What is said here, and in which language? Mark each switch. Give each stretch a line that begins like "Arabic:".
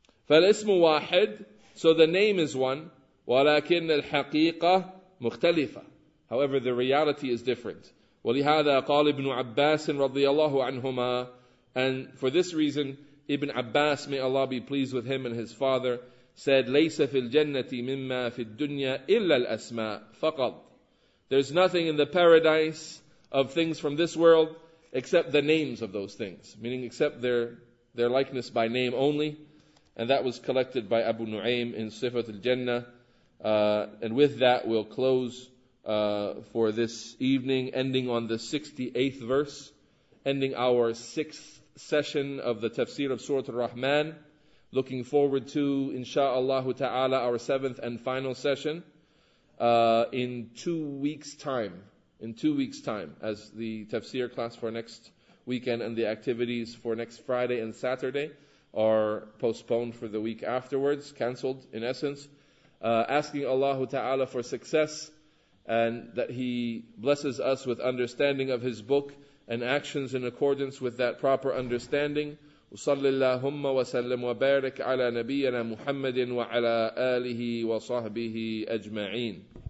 Arabic: فَالْإِسْمُ وَاحِدٌ.
English: So the name is one.
Arabic: وَلَكِنَّ الْحَقِيقَةُ مُخْتَلِفَةٌ.
English: However, the reality is different.
Arabic: وَلِهَذَا قَالَ ابْنُ عَبَّاسٍ رَضِيَ اللَّهُ عَنْهُمَا.
English: And for this reason, Ibn Abbas, may Allah be pleased with him and his father,
Arabic: said, لَيْسَ فِي الْجَنَّةِ مِمَّا فِي الدُّنْيَا إِلَّا الْأَسْمَاءِ فَقَطْ.
English: There's nothing in the paradise of things from this world except the names of those things, meaning except their likeness by name only. And that was collected by Abu Nu'aym in Sifat al-Jannah. And with that we'll close for this evening, ending on the 68th verse, ending our sixth session of the tafsir of Surah Ar-Rahman. Looking forward to, insha'Allah ta'ala, our seventh and final session in 2 weeks' time. In 2 weeks' time, as the tafsir class for next weekend and the activities for next Friday and Saturday are postponed for the week afterwards, cancelled in essence. Asking Allah ta'ala for success, and that He blesses us with understanding of His book and actions in accordance with that proper understanding.
Arabic: وصلي اللهم وسلم وبارك على نبينا محمد وعلى آله وصحبه أجمعين.